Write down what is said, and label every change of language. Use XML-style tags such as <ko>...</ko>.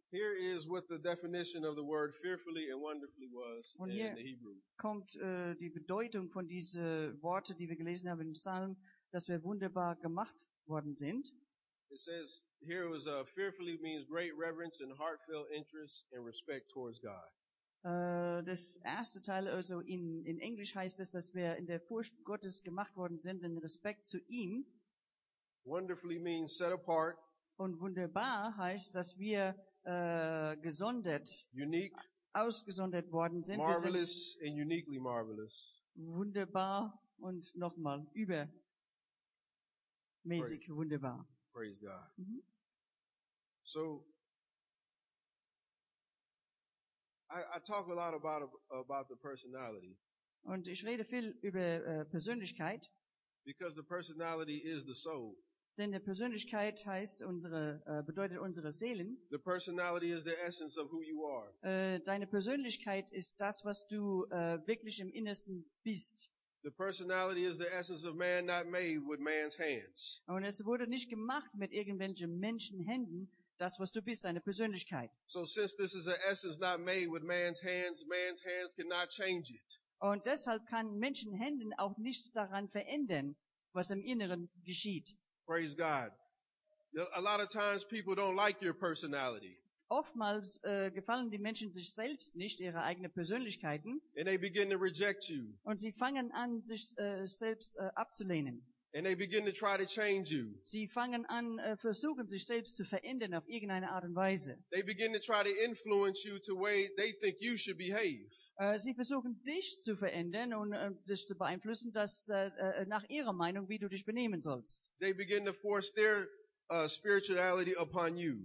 <en>Here is what the definition of the word fearfully and wonderfully was in the Hebrew.</en> <de>Und hier kommt die Bedeutung von diesen Worten, die wir gelesen haben im Psalm, dass wir wunderbar gemacht worden sind.</de> <en>It says here was fearfully means great reverence and heartfelt interest and respect towards God.</en> <de>Das erste Teil, also in Englisch heißt es, dass wir in der Furcht Gottes gemacht worden sind, in Respekt zu ihm.</de> <en>Wonderfully means set apart.</en> <de>Und wunderbar heißt, dass wir gesondert,</de> <en>unique,</en> <de>ausgesondert worden sind.</de> <en>Marvelous</en> <de>sind</de> <en>and uniquely marvelous.</en> <de>Wunderbar und nochmal übermäßig praise, wunderbar.</de> <en>Praise God. Mm-hmm. So, I talk a lot about the personality.</en> <de>Und ich rede viel über Persönlichkeit.</de> <en>Because the personality is the soul.</en> <de>Denn der Persönlichkeit heißt unsere bedeutet unsere Seelen.</de> <en>The personality is the essence of who you are.</en> <de>Deine Persönlichkeit ist das, was du wirklich im Innersten bist.</de> <en>The personality is the essence of man, not made with man's hands.</en> <de>Und es wurde nicht gemacht mit irgendwelchen Menschenhänden. Das, was du bist, deine Persönlichkeit.</de> <en>So, since this is an essence not made with man's hands cannot change it.</en> <de>Und deshalb kann Menschenhänden auch nichts daran verändern, was im Inneren geschieht.</de> <en>Praise God. A lot of times people don't like your personality.</en> <de>Oftmals gefallen die Menschen sich selbst nicht, ihre eigenen Persönlichkeiten.</de> <en>And they begin to reject you.</en> <de>Und sie fangen an, sich selbst abzulehnen.</de> <en>And they begin to try to change you.</en> <de>Sie fangen an, versuchen sich selbst zu verändern auf irgendeine Art und Weise.</de> <en>They begin to try to influence you to way they think you should behave.</en> <de>Sie versuchen dich zu verändern und dich zu beeinflussen, dass nach ihrer Meinung, wie du dich benehmen sollst.</de> <en>They begin to force their spirituality upon you.</en>